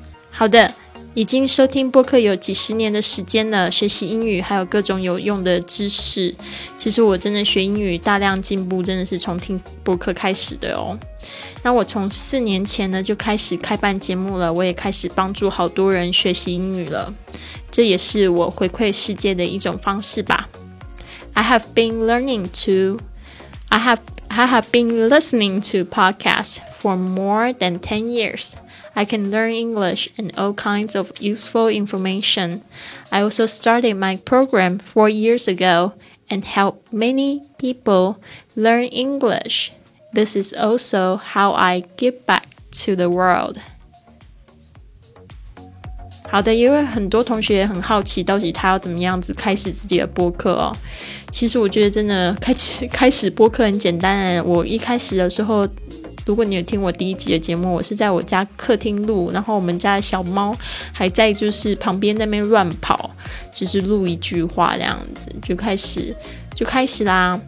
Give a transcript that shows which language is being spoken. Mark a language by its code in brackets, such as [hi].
[zh] 好的，已经收听播客有几十年的时间了，学习英语还有各种有用的知识。其实我真的学英语大量进步真的是从听播客开始的哦。那我从4年前呢就开始开办节目了，我也开始帮助好多人学习英语了，这也是我回馈世界的一种方式吧。 [en] I have been listening to podcasts for more than 10 years. I can learn English and all kinds of useful information. I also started my program 4 years ago and helped many people learn English. This is also how I give back to the world. [zh] 好的，因为很多同学也很好奇到底他要怎么样子开始自己的播客哦。其实我觉得真的开始播客很简单，我一开始的时候，如果你有听我第一集的节目，我是在我家客厅录，然后我们家的小猫还在就是旁边那边乱跑，就是录一句话这样子就开始就开始啦。